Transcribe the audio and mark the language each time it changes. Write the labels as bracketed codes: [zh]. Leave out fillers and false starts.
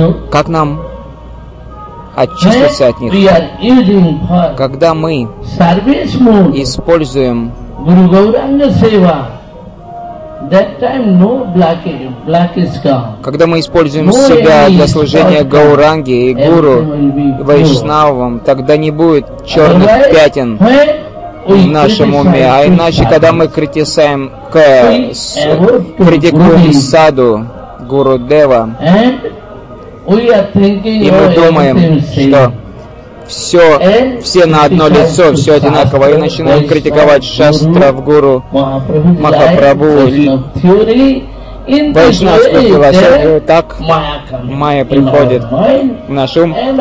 [ru] Как нам очиститься от них? Когда мы используем [en] Гуру Гауранга Сева, that time no blockage comes. [ru] Когда мы используем себя для служения Гауранге и Гуру Вайшнавам, тогда не будет черных пятен в нашем уме. А иначе, когда мы критикуем саду Гуру Дева, и мы думаем, что все на одно лицо, все одинаково, и начинаем критиковать шастров, гуру, Махапрабху, вайшнавскую философию, так майя приходит в наш ум,